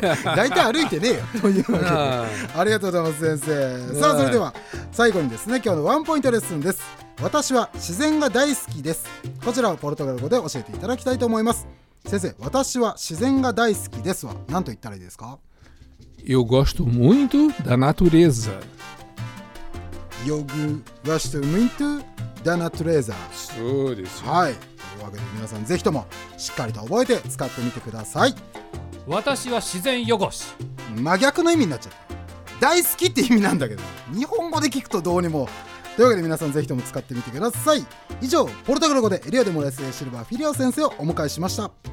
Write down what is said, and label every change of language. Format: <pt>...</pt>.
<ja>だいたい歩いてねえよ。というわけで、ありがとうございます先生。さあ、それでは最後にですね、今日のワンポイントレッスンです。私は自然が大好きです。こちらをポルトガル語で教えていただきたいと思います。先生、私は自然が大好きですは何と言ったらいいですか？</ja> <pt>Eu gosto muito da natureza. Eu gosto muito da natureza.</pt> <ja>そうですよ。はい。というわけで皆さん、ぜひともしっかりと覚えて使ってみてください。私は自然汚し。真逆の意味になっちゃった。大好きって意味なんだけど、日本語で聞くとどうにも。というわけで皆さん、ぜひとも使ってみてください。以上、ポルトガル語でエリオデモライスエシルバーフィリオ先生をお迎えしました。</ja>